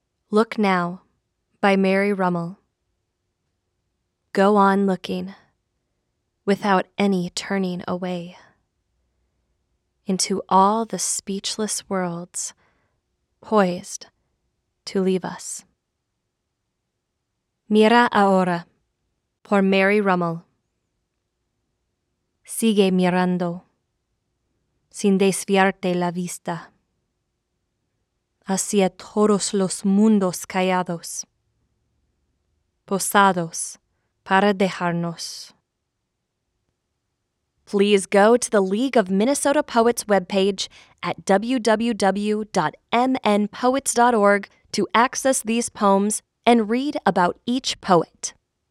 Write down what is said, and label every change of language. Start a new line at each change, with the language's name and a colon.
English: Look Now by Mary Rummel. Go on looking without any turning away into all the speechless worlds poised to leave us.
Spanish: Mira ahora por Mary Rummel. Sigue mirando sin desviarte la vista hacia todos los mundos callados, posados para dejarnos.
English: Please go to the League of Minnesota Poets webpage at www.mnpoets.org to access these poems and read about each poet.